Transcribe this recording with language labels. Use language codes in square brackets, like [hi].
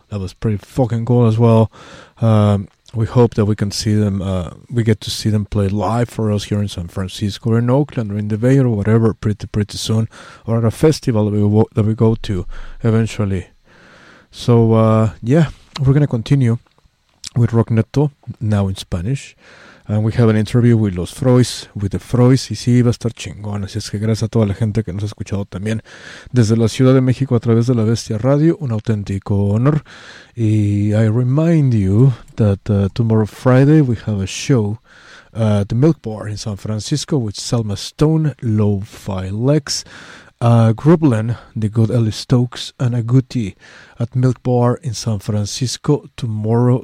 [en] That was pretty fucking cool as well. We hope that we can see them, we get to see them play live for us here in San Francisco or in Oakland or in the Bay or whatever pretty soon, or at a festival that we go to eventually. So yeah, we're going to continue with Rockneto, now in Spanish. And we have an interview with Los Frois, with the Frois, [es] y sí, va a estar chingón. Así es que gracias a toda la gente que nos ha escuchado también desde la Ciudad de México a través de La Bestia Radio, un auténtico honor. [en] Y I remind you that tomorrow Friday we have a show at the Milk Bar in San Francisco with Selma Stone, Lo-Fi Lex, Grublin, the good Ellie Stokes, and Agouti at Milk Bar in San Francisco tomorrow.